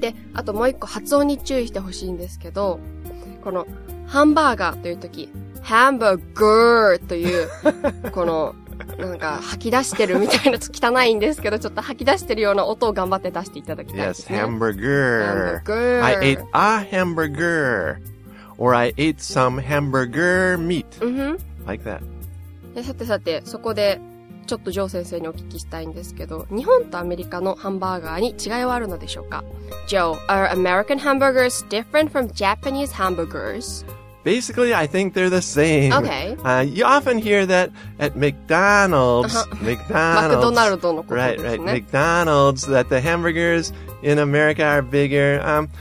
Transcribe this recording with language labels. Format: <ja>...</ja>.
<ja>で、あともう一個、発音に注意してほしいんですけど、この、ハンバーガーというとき、ハンバーガーという、この、なんか、吐き出してるみたいな、汚いんですけど、ちょっと吐き出してるような音を頑張って出していただきたいです、ね。</ja> <en>Yes, hamburger. Hamburger. I ate a hamburger. Or I ate some hamburger meat.、 Mm-hmm. Like that.</en> <ja>で、さてさて、そこで、ちょっとジョー先生にお聞きしたいんですけど、日本とアメリカのハンバーガーに違いはあるのでしょうか?</ja> <en>Joe, are American hamburgers different from Japanese hamburgers? Basically, I think they're the same. Okay. You often hear that at McDonald's, McDonald's, right, McDonald's, that the hamburgers in America are bigger.</en>